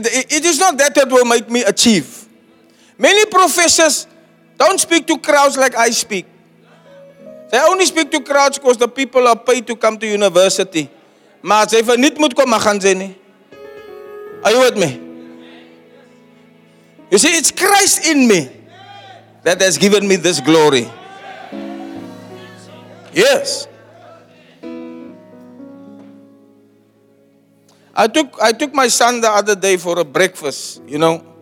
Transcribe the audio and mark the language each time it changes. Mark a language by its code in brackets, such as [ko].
[en] It is not that will make me achieve. Many professors don't speak to crowds like I speak. They only speak to crowds because the people are paid to come to university. [af] Maar as jy verniet moet kom, gaan jy nie. [en] Are you with me? You see, it's Christ in me that has given me this glory. Yes. I took my son the other day for a breakfast, you know.